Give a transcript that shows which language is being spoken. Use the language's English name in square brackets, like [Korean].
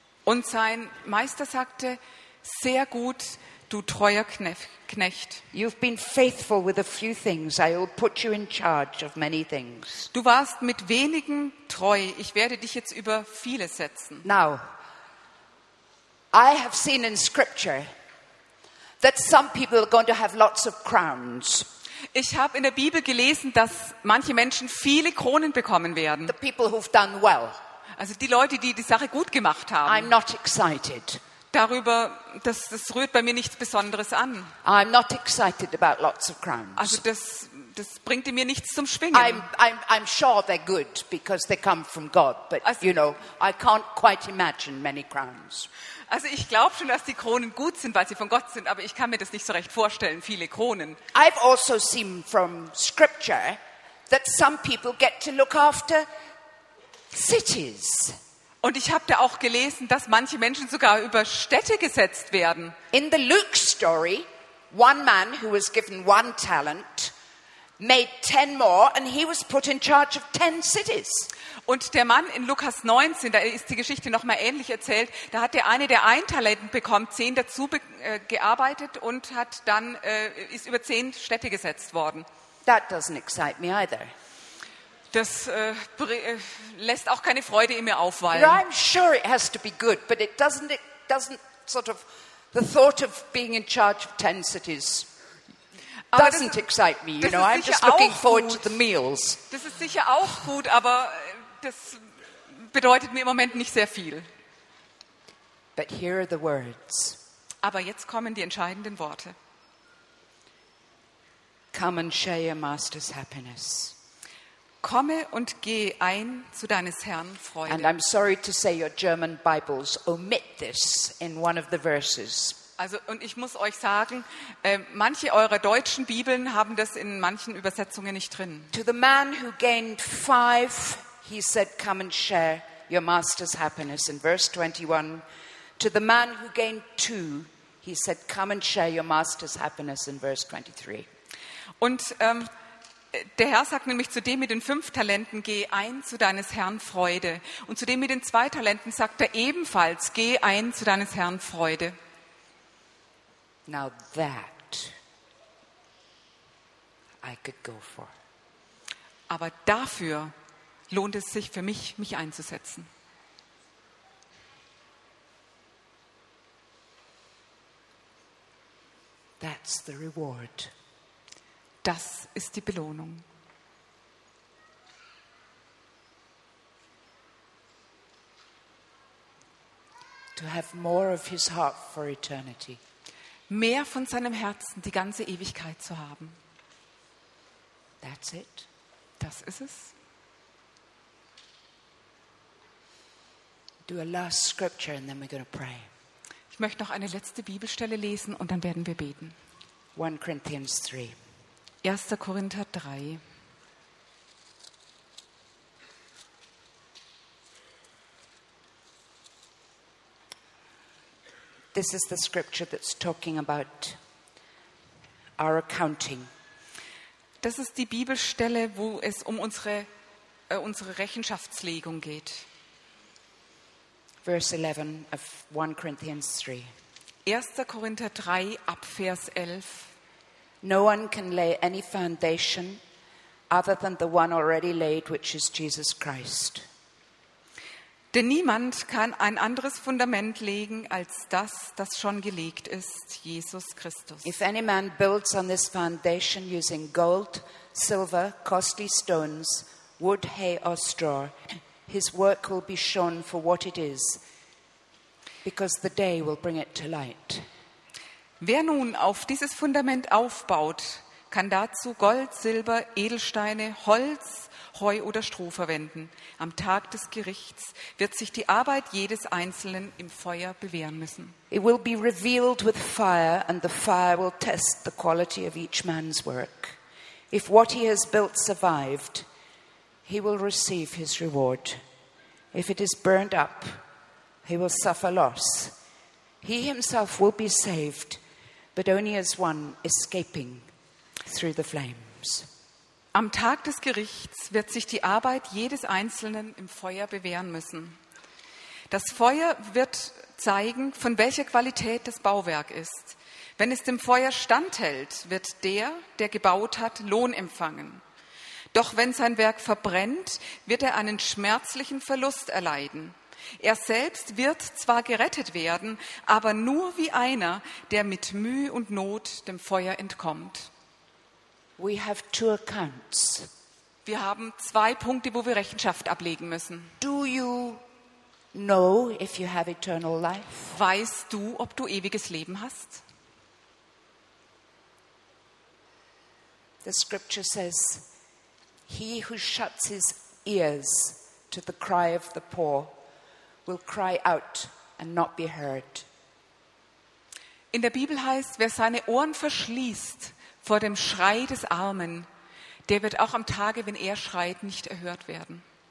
[German] Und sein Meister sagte, sehr gut, du treuer Knecht. [English] You've been faithful with a few things. I will put you in charge of many things. [German] Du warst mit wenigen treu. Ich werde dich jetzt über vieles setzen. [English] Now, I have seen in scripture that some people are going to have lots of crowns. [German] Ich habe in der Bibel gelesen, dass manche Menschen viele Kronen bekommen werden. [English] The people who've done well. [German] Also die Leute, die die Sache gut gemacht haben. [English] I'm not excited. [German] Darüber, das rührt bei mir nichts Besonderes an. [English] I'm not excited about lots of crowns. [German] Also das bringt mir nichts zum Schwingen. [English] I'm sure they're good because they come from God, but also, you know, I can't quite imagine many crowns. [German] Also ich glaube schon, dass die Kronen gut sind, weil sie von Gott sind, aber ich kann mir das nicht so recht vorstellen, viele Kronen. [English] I've also seen from scripture that some people get to look after cities. [German] Und ich habe da auch gelesen, dass manche Menschen sogar über Städte gesetzt werden. [English] In the Luke story, one man who was given one talent made 10 more and he was put in charge of 10 cities. [German] Und der Mann in Lukas 19, da ist die Geschichte noch mal ähnlich erzählt, da hat der eine, der ein Talent bekommt, 10 dazu gearbeitet und hat dann ist über 10 Städte gesetzt worden. [English] That doesn't excite me either. [German] Das lässt auch keine Freude in mir aufwallen. [English] I'm sure it has to be good, but it doesn't sort of the thought of being in charge of 10 cities. Doesn't excite me, you know. I'm just looking forward to the meals. [German] Das ist sicher auch gut, aber das bedeutet mir im Moment nicht sehr viel. [English] But here are the words. [German] Aber jetzt kommen die entscheidenden Worte. [English] Come and share your master's happiness. [German] Komme und geh ein zu deines Herrn Freude. [English] And I'm sorry to say your German Bibles omit this in one of the verses. [German] Also, und ich muss euch sagen, manche eurer deutschen Bibeln haben das in manchen Übersetzungen nicht drin. [English] To the man who gained 5, he said, come and share your master's happiness in verse 21. To the man who gained 2, he said, come and share your master's happiness in verse 23. [German] Und der Herr sagt nämlich zu dem mit den 5 Talenten, geh ein zu deines Herrn Freude. Und zu dem mit den 2 Talenten sagt er ebenfalls, geh ein zu deines Herrn Freude. [English] Now that I could go for. [German] Aber dafür lohnt es sich für mich, mich einzusetzen. [English] That's the reward. [German] Das ist die Belohnung. [English] To have more of his heart for eternity. [German] Mehr von seinem Herzen die ganze Ewigkeit zu haben. [English] That's it. [German] Das ist es. [English] Do a last scripture and then we're going to pray. [German] Ich möchte noch eine letzte Bibelstelle lesen und dann werden wir beten. [English] 1 Corinthians 3. [German] 1. Korinther 3. [English] This is the scripture that's talking about our accounting. [German] Das ist die Bibelstelle, wo es um unsere Rechenschaftslegung geht. [English] Verse 11 of 1 Corinthians 3. [German] 1. Korinther 3 ab Vers 11. [English] No one can lay any foundation other than the one already laid, which is Jesus Christ. [German] Denn niemand kann ein anderes Fundament legen als das, das schon gelegt ist, Jesus Christus. [English] If any man builds on this foundation using gold, silver, costly stones, wood, hay or straw, his work will be shown for what it is, because the day will bring it to light. [German] Wer nun auf dieses Fundament aufbaut, kann dazu Gold, Silber, Edelsteine, Holz, Heu oder Stroh verwenden. Am Tag des Gerichts wird sich die Arbeit jedes Einzelnen im Feuer bewähren müssen. [English] It will be revealed with fire and the fire will test the quality of each man's work. If what he has built survived, he will receive his reward. If it is burned up, he will suffer loss. He himself will be saved, but only as one escaping through the flames. [German] Am Tag des Gerichts wird sich die Arbeit jedes Einzelnen im Feuer bewähren müssen. Das Feuer wird zeigen, von welcher Qualität das Bauwerk ist. Wenn es dem Feuer standhält, wird der, der gebaut hat, Lohn empfangen. Doch wenn sein Werk verbrennt, wird er einen schmerzlichen Verlust erleiden. Er selbst wird zwar gerettet werden, aber nur wie einer, der mit Mühe und Not dem Feuer entkommt. [English] We have 2 accounts. [German] Wir haben 2 Punkte, wo wir Rechenschaft ablegen müssen. [English] Do you know if you have eternal life? [German] Weißt du, ob du ewiges Leben hast? [English] The scripture says, he who shuts his ears to the cry of the poor will cry out and not be heard. [German] In der Bibel heißt, wer seine Ohren verschließt vor dem Schrei des Armen, der wird auch am Tage, wenn er schreit, nicht erhört werden.